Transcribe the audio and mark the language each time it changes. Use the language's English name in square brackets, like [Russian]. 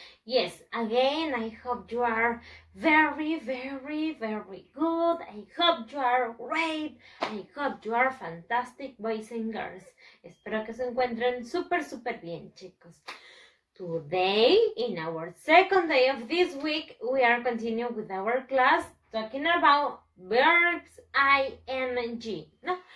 [English] Yes, again, I hope you are very, very, very good. I hope you are great. I hope you are fantastic, boys and girls. [Spanish] Espero que se encuentren super, super bien, chicos. [English] Today, in our second day of this week, we are continuing with our class talking about verbs ing, ¿no?